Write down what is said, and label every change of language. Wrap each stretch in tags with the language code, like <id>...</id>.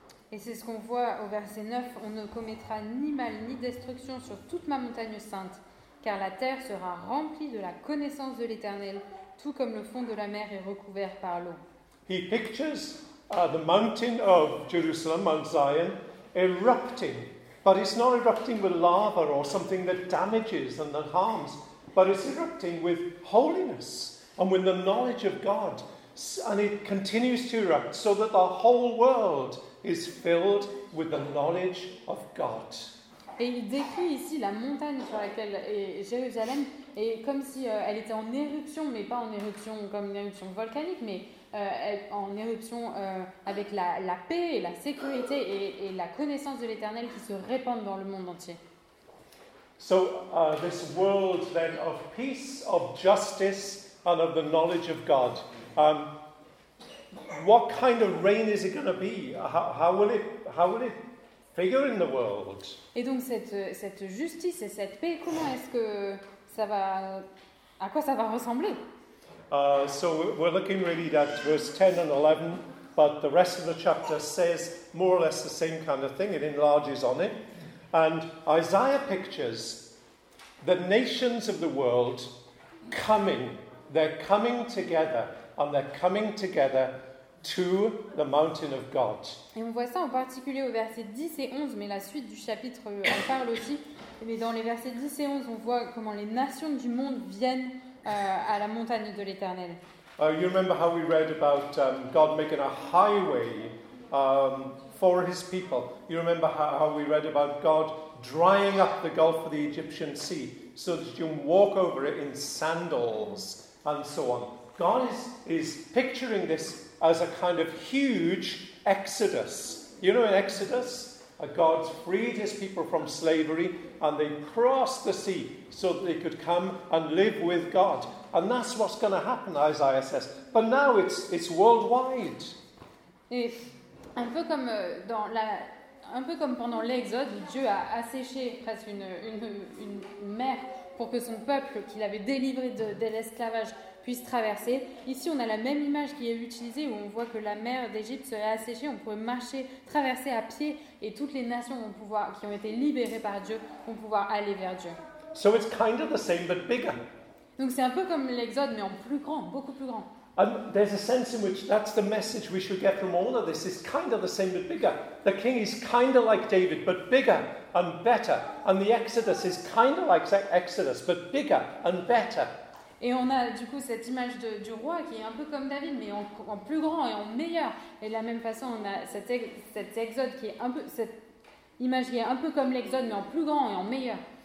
<fr>Et c'est ce qu'on voit au verset 9, on ne commettra ni mal ni destruction sur toute ma montagne sainte, car la terre sera remplie de la connaissance de l'Éternel. Tout comme le fond de la mer est recouvert par l'eau.</fr> <en>He pictures the mountain of Jerusalem, Mount Zion, erupting. But it's not erupting with lava or something that damages and that harms. But it's erupting with holiness and with the knowledge of God. And it continues to erupt so that the whole world is filled with the knowledge of God.</en> <fr>Et il décrit ici la montagne sur laquelle est Jérusalem. Et comme si elle était en éruption, mais pas en éruption comme une éruption volcanique, mais en éruption avec la paix et la sécurité et la connaissance de l'Éternel qui se répandent dans le monde entier.</fr> <en>So this world then of peace, of justice, and of the knowledge of God. What kind of reign is it going to be? How will it figure in the world?</en> <fr>Et donc cette justice et cette paix, comment est-ce que à quoi ça va ressembler?</fr> <en>So we're looking really at verse 10 and 11, but the rest of the chapter says more or less the same kind of thing. It enlarges on it. And Isaiah pictures the nations of the world coming. They're coming together, and they're coming together to the mountain of God.</en> <fr>Et on voit ça en particulier au verset 10 et 11, mais la suite du chapitre en parle aussi. Mais dans les versets 10 et 11, on voit comment les nations du monde viennent à la montagne de l'Éternel.</fr> <en>You remember how we read about God making a highway for his people. You remember how we read about God drying up the gulf of the Egyptian sea so that you can walk over it in sandals and so on. God is picturing this as a kind of huge exodus. You know in Exodus, God freed his people from slavery and they crossed the sea so that they could come and live with God. And that's what's going to happen, Isaiah says. But now it's worldwide.</en> <fr>Et un peu comme dans la, un peu comme pendant l'Exode, Dieu a asséché presque une mer pour que son peuple, qu'il avait délivré de l'esclavage, puisse traverser. Ici, on a la même image qui est utilisée où on voit que la mer d'Égypte serait asséchée. On pourrait marcher, traverser à pied, et toutes les nations vont pouvoir, qui ont été libérées par Dieu, vont pouvoir aller vers Dieu.</fr> <en>So it's kind of the same but bigger.</en> <fr>Donc c'est un peu comme l'Exode, mais en plus grand, beaucoup plus grand.</fr> <en>And there's a sense in which that's the message we should get from all of this. It's kind of the same but bigger. The king is kind of like David, but bigger and better. And the Exodus is kind of like Exodus, but bigger and better.</en> <fr>Et on a du coup cette image de, du roi qui est un peu comme David, mais en, en plus grand et en meilleur. Et de la même façon, on a cette exode qui est un peu, cette image qui est un peu comme l'exode, mais en plus grand et en meilleur.</fr>